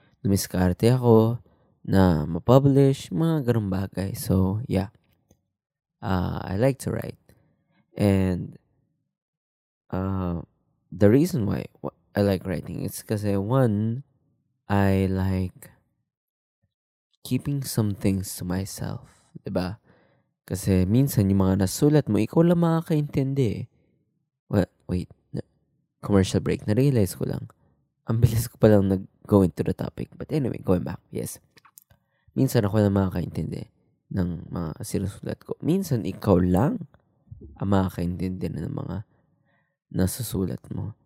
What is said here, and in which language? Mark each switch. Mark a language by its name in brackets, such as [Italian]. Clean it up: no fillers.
[Filipino] Dumiskarte ako na mapublish, mga ganun bagay. [English] So, yeah. I like to write, and the reason why I like writing is because, one, I like keeping some things to myself, [Filipino] diba? Kasi minsan yung mga nasulat mo, ikaw lang makakaintindi. [English] Well, wait, commercial break, [Filipino] na-realize ko lang. Ang bilis ko palang nag-go [English] into the topic, but anyway, going back, yes. [Filipino] Minsan ako lang makakaintindi ng mga sinusulat ko. Minsan, ikaw lang ang makakaintindi ng mga nasusulat mo.